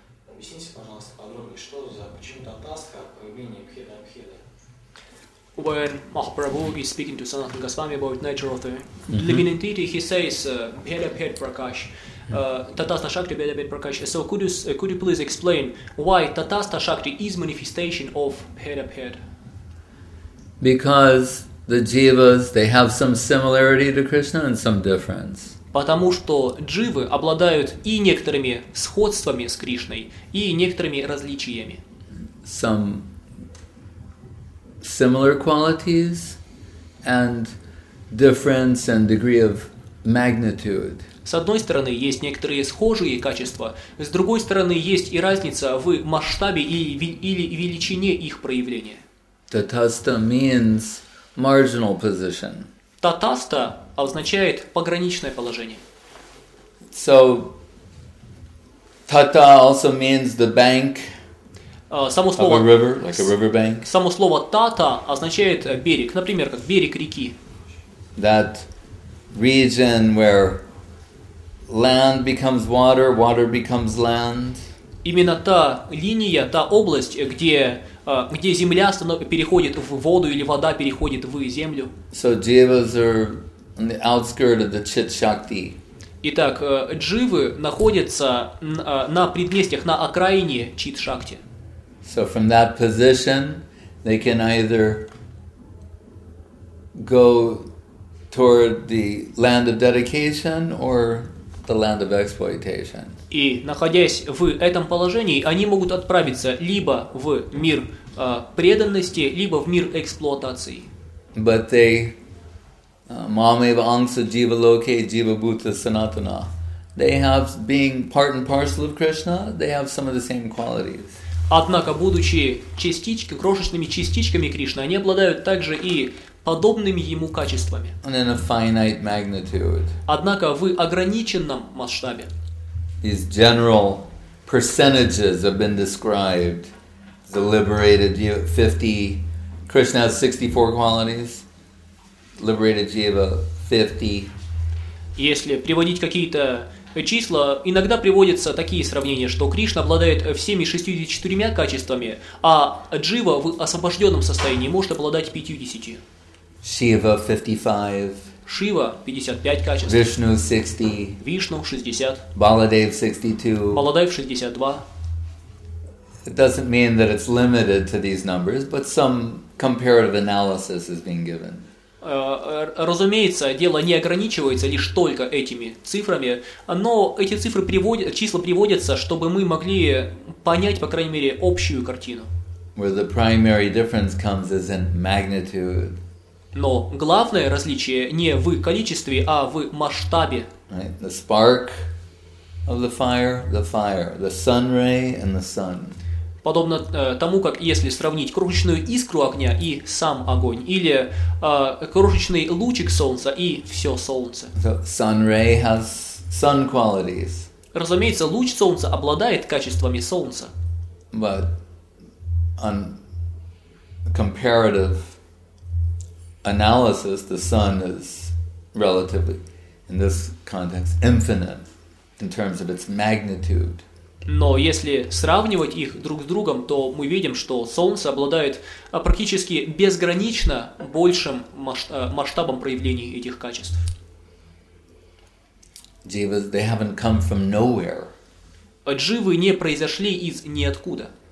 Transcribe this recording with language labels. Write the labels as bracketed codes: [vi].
[ru] Объясните, пожалуйста, подробнее, что за, почему Таттаска, появление Бхеда Бхеда? [en] When Mahaprabhu is speaking to Sanatana Goswami about nature of the living entity, he says, Bheda Bheda Prakash, Tatastha Shakti Bheda Bheda Prakash. So could you please explain why Tatastha Shakti is manifestation of Bheda Bheda? Because the jivas, they have some similarity to Krishna and some difference. [ru] Потому что дживы обладают и некоторыми сходствами с Кришной, и некоторыми различиями. [en] Some similar qualities and difference and degree of magnitude. [ru] С одной стороны, есть некоторые схожие качества, с другой стороны, есть и разница в масштабе или величине их проявления. [en] Tatastha means marginal position. [ru] Tatastha означает пограничное положение. [en] So, tata also means the bank. [ru] Само слово, [en] of a river, like a river bank. [ru] Само слово «тата» означает «берег», например, как «берег реки». [en] That region where land becomes water, water becomes land. [ru] Именно та линия, та область, где, где земля переходит в воду или вода переходит в землю. [en] So devas are on the outskirts of the chit-shakti. [ru] Итак, дживы находятся на предместьях, на окраине чит-шакти. [en] So from that position, they can either go toward the land of dedication or the land of exploitation. [ru] И находясь в этом положении, они могут отправиться либо в мир преданности, либо в мир эксплуатации. [en] But they, Mameva Angsa Jiva Loke Jiva Bhuta Sanatana, they have, being part and parcel of Krishna, they have some of the same qualities. [ru] Однако, будучи частичками, крошечными частичками Кришны, они обладают также и подобными ему качествами. [en] And in a finite magnitude. [ru] Однако, в ограниченном масштабе. [en] These general percentages have been described. The liberated 50, Krishna has 64 qualities, liberated jiva 50. [ru] Если приводить какие-то числа, иногда приводятся такие сравнения, что Кришна обладает всеми 64 качествами, а джива в освобожденном состоянии может обладать 50. Шива 55. Шива 55 качеств. Вишну 60. Вишну 60. Баладев 62. Баладев 62. [en] It doesn't mean that it's limited to these numbers, but some comparative analysis is being given. [ru] Разумеется, дело не ограничивается лишь только этими цифрами, но эти цифры приводят, числа приводятся, чтобы мы могли понять, по крайней мере, общую картину. [en] Where the primary difference comes is in magnitude. [ru] Но главное различие не в количестве, а в масштабе. [en] Right. The spark of the fire, the sun ray and the sun. [ru] Подобно тому, как если сравнить крошечную искру огня и сам огонь, или крошечный лучик солнца и все солнце. [en] So, sun ray has sun qualities. [ru] Разумеется, луч солнца обладает качествами солнца. [en] But on comparative analysis, the sun is relatively, in this context, infinite in terms of its magnitude. [ru] Но если сравнивать их друг с другом, то мы видим, что Солнце обладает практически безгранично большим масштабом проявлений этих качеств. [en] Jivas, they haven't come from nowhere. [ru] Дживы не произошли из ниоткуда.